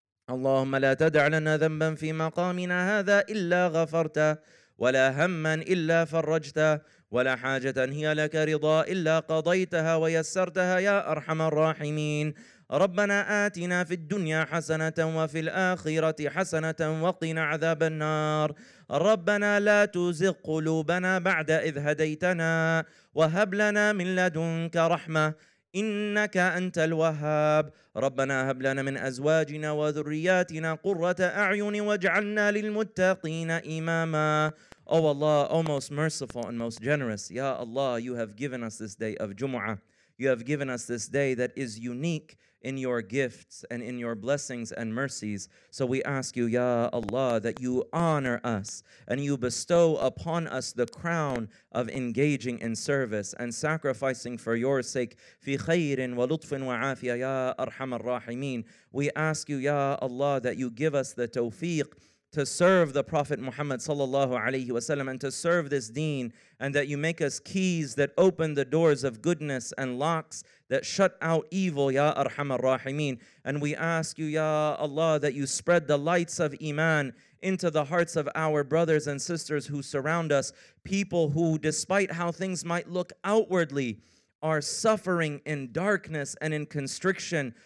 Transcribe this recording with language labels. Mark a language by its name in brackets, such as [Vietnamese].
[Arabic] اللهم لا تدع لنا ذنبا في مقامنا هذا إلا غفرته ولا همّا إلا فرجته ولا حاجة هي لك رضا إلا قضيتها ويسرتها يا أرحم الراحمين ربنا آتنا في الدنيا حسنة وفي الآخرة حسنة وقنا عذاب النار ربنا لا تزغ قلوبنا بعد إذ هديتنا وهب لنا من لدنك رحمة إنك أنت الوهاب ربنا هب لنا من أزواجنا وذرياتنا قرة أعين واجعلنا للمتقين إماما [English] Oh Allah, O most merciful and most generous, Ya Allah, you have given us this day of Jumu'ah. You have given us this day that is unique in your gifts and in your blessings and mercies. So we ask you, Ya Allah, that you honor us and you bestow upon us the crown of engaging in service and sacrificing for your sake. [Arabic] في خير ولطف وعافية يا أرحم الراحمين. [English] We ask you, Ya Allah, that you give us the tawfiq to serve the Prophet Muhammad sallallahu alayhi wa sallam and to serve this deen and that you make us keys that open the doors of goodness and locks that shut out evil, Ya Arham al-Rahimeen. And we ask you, Ya Allah, that you spread the lights of Iman into the hearts of our brothers and sisters who surround us, people who, despite how things might look outwardly, are suffering in darkness and in constriction.